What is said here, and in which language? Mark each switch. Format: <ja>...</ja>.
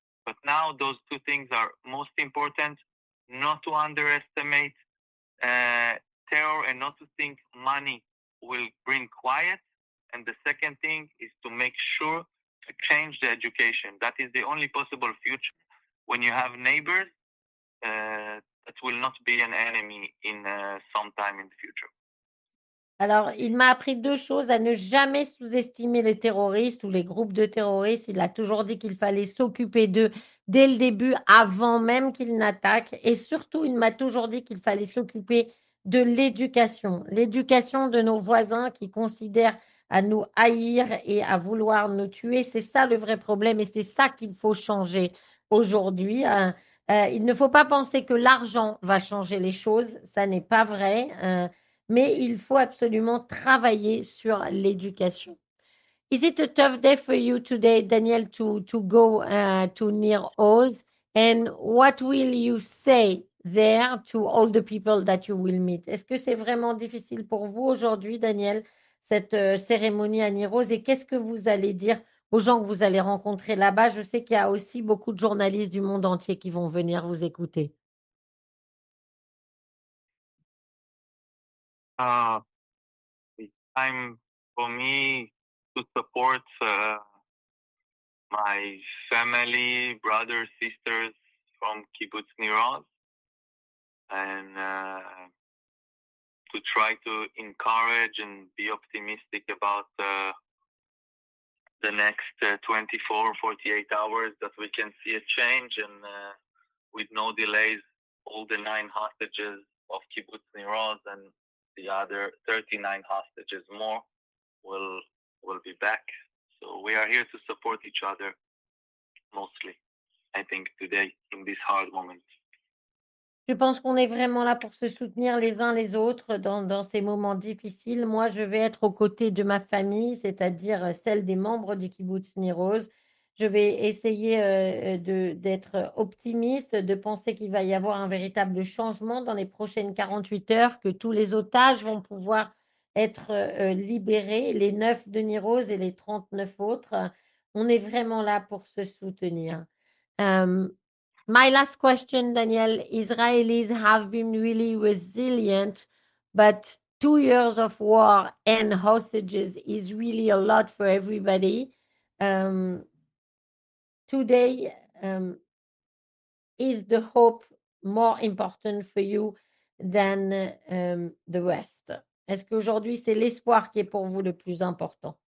<en>But now those two things are most important, not to underestimate terror and not to think money will bring quiet. And the second thing is to make sure to change the education. That is the only possible future when you have neighbors that will not be an enemy in some time in the future.</en> <fr>Alors, il m'a appris deux choses, à ne jamais sous-estimer les terroristes ou les groupes de terroristes. Il a toujours dit qu'il fallait s'occuper d'eux dès le début, avant même qu'ils n'attaquent. Et surtout, il m'a toujours dit qu'il fallait s'occuper de l'éducation de nos voisins qui considèrent à nous haïr et à vouloir nous tuer. C'est ça le vrai problème et c'est ça qu'il faut changer aujourd'hui. Il ne faut pas penser que l'argent va changer les choses. Ça n'est pas vrai. Mais il faut absolument travailler sur l'éducation.</fr> <en>Is it a tough day for you today, Daniel, to go to Nir Oz? And what will you say there to all the people that you will meet?</en> <fr>Est-ce que c'est vraiment difficile pour vous aujourd'hui, Daniel, cette cérémonie à Nir Oz? Et qu'est-ce que vous allez dire aux gens que vous allez rencontrer là-bas? Je sais qu'il y a aussi beaucoup de journalistes du monde entier qui vont venir vous écouter.</fr> <en>It's time for me to support my family, brothers, sisters from Kibbutz Nir Oz, and to try to encourage and be optimistic about the next 24, 48 hours, that we can see a change, and with no delays, all the 9 hostages of Kibbutz Nir Oz and the other 39 hostages more will be back. So we are here to support each other, mostly, I think, today, in this hard moment.</en> <fr>Je pense qu'on est vraiment là pour se soutenir les uns les autres dans ces moments difficiles. Moi, je vais être aux côtés de ma famille, c'est-à-dire celle des membres du Kibbutz Nir Oz. Je vais essayer d'être optimiste, de penser qu'il va y avoir un véritable changement dans les prochaines 48 heures, que tous les otages vont pouvoir être libérés, les 9 de Nir Oz et les 39 autres. On est vraiment là pour se soutenir.</fr> <en>My last question, Daniel. Israelis have been really resilient, but 2 years of war and hostages is really a lot for everybody. Today is the hope more important for you than the rest?</en> <fr>Est-ce qu'aujourd'hui, c'est l'espoir qui est pour vous le plus important?</fr>